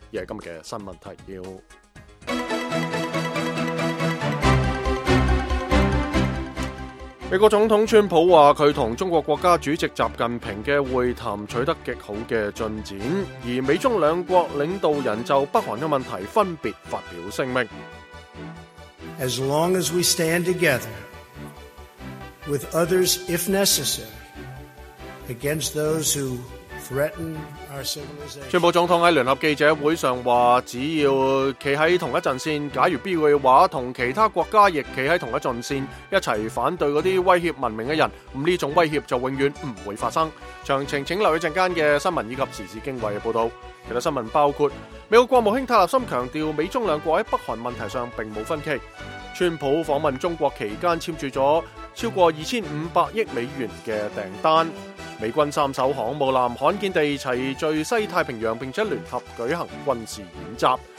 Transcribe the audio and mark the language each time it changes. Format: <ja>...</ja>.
<zh>而今天的新闻提要，美国总统川普说他和中国国家主席习近平的会谈取得极好的进展，而美中两国领导人就北韩的问题分别发表声明。</zh> <en>As long as we stand together with others if necessary against those who threaten our civilization，</en> <zh>川普总统在联合记者会上说，只要站在同一阵线，假如必要的话和其他国家亦站在同一阵线，一起反对那些威胁文明的人，这种威胁就永远不会发生。详情请留意阵间的新闻以及时事经纬的报道。其他新闻包括，美国国务卿特朗普强调美中两国在北韩问题上并无分歧，川普访问中国期间签署了超过2500亿美元的订单，美军三艘航母舰罕见地齐聚西太平洋，并且联合举行军事演习。</zh>